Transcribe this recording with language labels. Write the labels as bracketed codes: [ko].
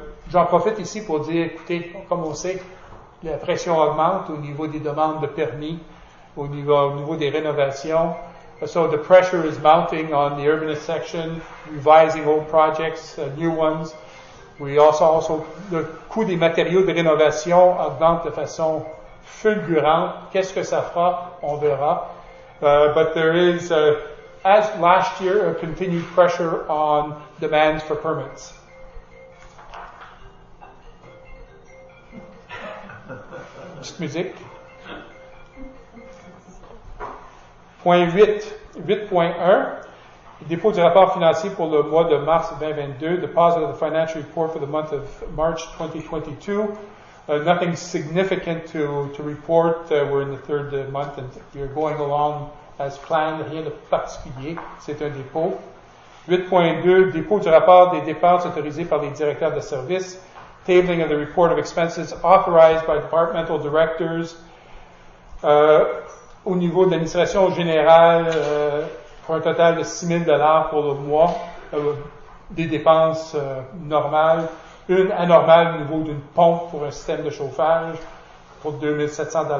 [fr] J'en profite ici pour dire, écoutez, comme on sait, la pression augmente au niveau des demandes de permis, au niveau des rénovations. [en] So the pressure is mounting on the urbanist section, revising old projects, new ones. We also, [fr] le coût des matériaux de rénovation augmente de façon fulgurante. Qu'est-ce que ça fera? On verra. [en] But there is, as last year, a continued pressure on demands for permits. Just music. [fr] Point 8.1. Dépôt du rapport financier pour le mois de mars 2022. [en] Deposit of the financial report for the month of March 2022. Nothing significant to report. We're in the third month and we're going along as planned. [fr] Rien de particulier. C'est un dépôt. 8.2. Dépôt du rapport des dépenses autorisées par les directeurs de service. [en] Tabling of the report of expenses authorized by departmental directors. [fr] Au niveau de l'administration générale, pour un total de 6 000 $ pour le mois, des dépenses normales. Une anormale au niveau d'une pompe pour un système de chauffage pour $2,700.